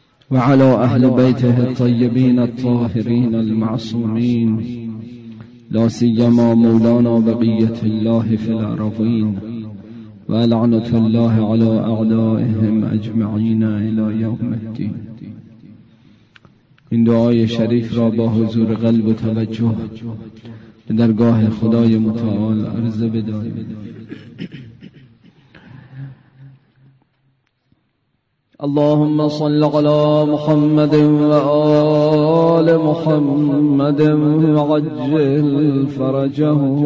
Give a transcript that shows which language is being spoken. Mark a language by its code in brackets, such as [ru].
[ar] وعلى أهل بيته الطيبين الطاهرين المعصومين، لا سيما مولانا بقية الله في الأرضين، ولعنة الله على أعدائهم أجمعين إلى يوم الدين. [fa] إن دعاي شريف را با حضور قلب و توجه درگاه خدای متعال عرض بدارم. [ar] اللهم صل على محمد وآل محمد وعجل فرجه.